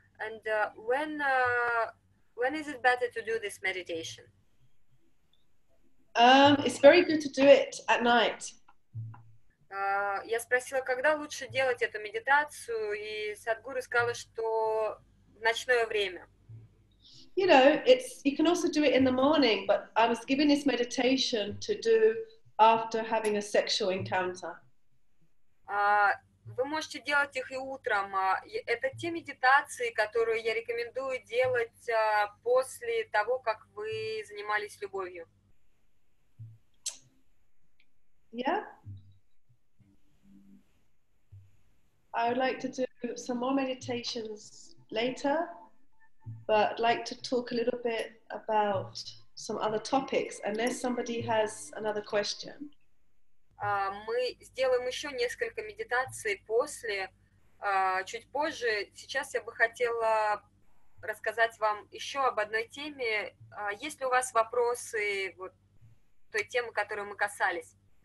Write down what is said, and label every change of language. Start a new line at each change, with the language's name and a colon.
English: And when is it better to do this meditation? It's very good to do it at night.
Russian: Я спросила, когда лучше делать эту медитацию, и Садгуру сказала, что в ночное время.
English: You know, you can also do it in the morning, but I was given this meditation to do after having a sexual encounter.
Russian: Вы можете делать их и утром. Это те медитации, которые я рекомендую делать после того, как вы занимались любовью.
English: Yeah. I would like to do some more meditations later, but I'd like to talk a little bit about some other topics, unless somebody has another question.
Russian: Мы сделаем еще несколько медитаций после, чуть позже. Сейчас я бы хотела рассказать вам еще об одной теме. Есть ли у вас вопросы вот той темы, которую мы касались?